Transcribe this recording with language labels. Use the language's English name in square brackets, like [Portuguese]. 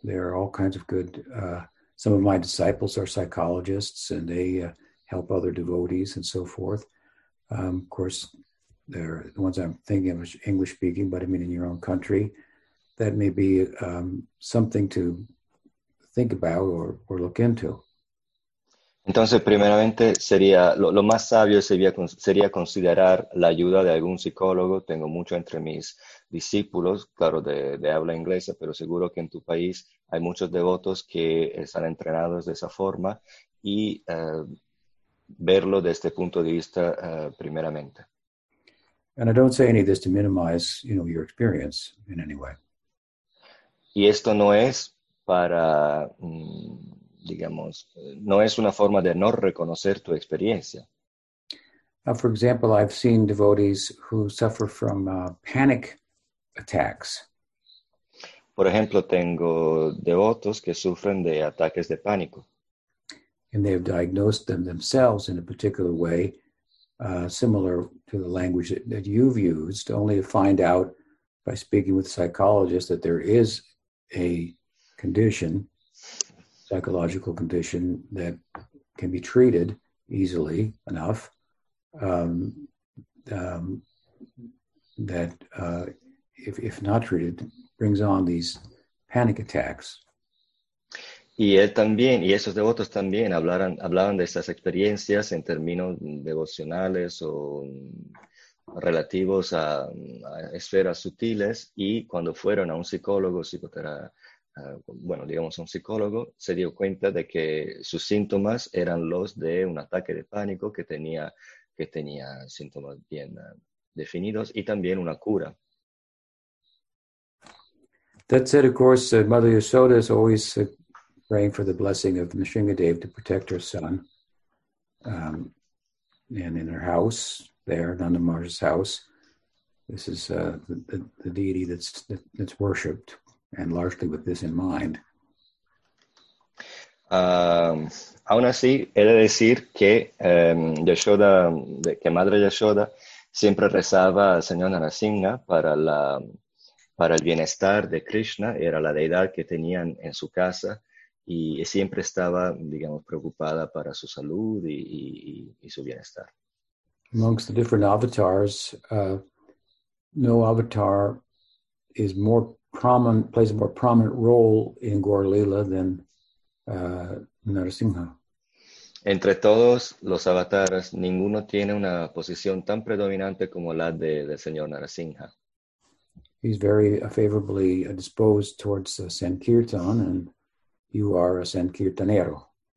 [English] There are all kinds of good, some of my disciples are psychologists and they help other devotees and so forth. Of course, they're the ones I'm thinking of is English speaking, but I mean in your own country, that may be something to think about or look into. [Spanish] Entonces, primeramente, sería lo más sabio sería considerar la ayuda de algún psicólogo. Tengo mucho entre mis discípulos, claro, de habla inglesa, pero seguro que en tu país hay muchos devotos que están entrenados de esa forma y verlo desde este punto de vista primeramente. [English] And I don't say any of this to minimize, you know, your experience in any way. [Spanish] Y esto no es para... digamos, no es una forma de no reconocer tu experiencia. [English] Now, for example, I've seen devotees who suffer from panic attacks. [Spanish] Por ejemplo, tengo devotos que sufren de ataques de pánico. [English] And they've diagnosed them themselves in a particular way, similar to the language that you've used, only to find out by speaking with psychologists that there is a condition, psychological condition that can be treated easily enough that if not treated brings on these panic attacks. [Spanish] Y él también, y esos devotos también hablaban de esas experiencias en términos devocionales o relativos a esferas sutiles y cuando fueron a un psicólogo, psicoterapeuta, bueno, digamos, un psicólogo se dio cuenta de que sus síntomas eran los de un ataque de pánico que tenía síntomas bien definidos y también una cura. [English] That said, of course, Mother Yasoda is always praying for the blessing of Nrisimhadev to protect her son. And in her house there, Nandamarja's house, this is the deity that's worshipped. And largely with this in mind. [Spanish] Aún así, he de decir que Yashoda, que Madre Yashoda, siempre rezaba al Señor Narasimha para el bienestar de Krishna, era la deidad que tenían en su casa, y siempre estaba, digamos, preocupada para su salud y su bienestar. [English] Amongst the different avatars, no avatar is more plays a more prominent role in Gaura Lila than Narasimha. [Spanish] Entre todos los avatars, ninguno tiene una posición tan predominante como la de señor Narasimha. [English] He's very favorably disposed towards Sankirtan, and you are a Sankirtanero.